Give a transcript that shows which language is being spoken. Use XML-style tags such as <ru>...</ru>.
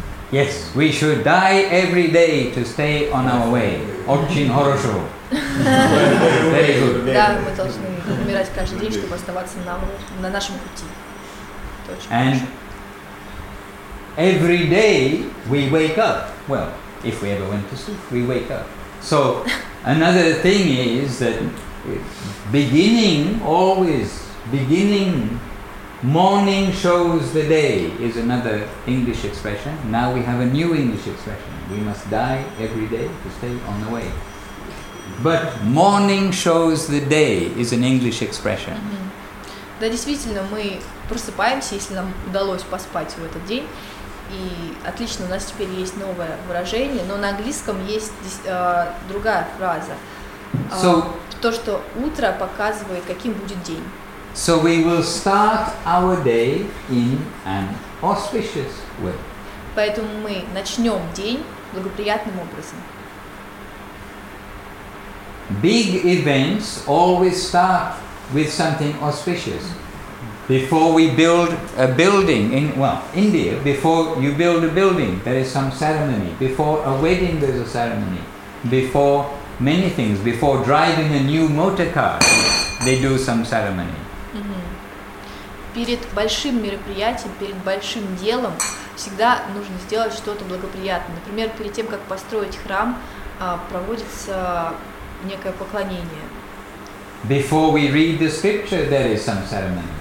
<en>Yes, we should die every day to stay on our way.</en> <ru>Очень хорошо.</ru> <en>Very good.</en> <ru>Да, мы должны умирать каждый день, чтобы оставаться на нашем пути.</ru> <en>And every day we wake up. Well, if we ever went to sleep, we wake up. So another thing is that beginning morning shows the day is another English expression. Now we have a new English expression. We must die every day to stay on the way. But morning shows the day is an English expression. Mm-hmm.</en> <ru>Да, действительно, мы просыпаемся, если нам удалось поспать в этот день. И отлично, у нас теперь есть новое выражение, но на английском есть другая фраза.</ru> <en>So,</en> <ru>то, что утро показывает, каким будет день.</ru> <en>So we will start our day in an auspicious way.</en> <ru>Поэтому мы начнем день благоприятным образом.</ru> <en>Big events always start with something auspicious. Before we build a building in, well, India, before you build a building, there is some ceremony. Before a wedding, there's a ceremony. Before many things, before driving a new motor car, they do some ceremony.</en> <ru>Перед большим мероприятием, перед большим делом всегда нужно сделать что-то благоприятное. Например, перед тем, как построить храм, проводится некое поклонение.</ru> <en>Before we read the scripture, there is some ceremony.</en>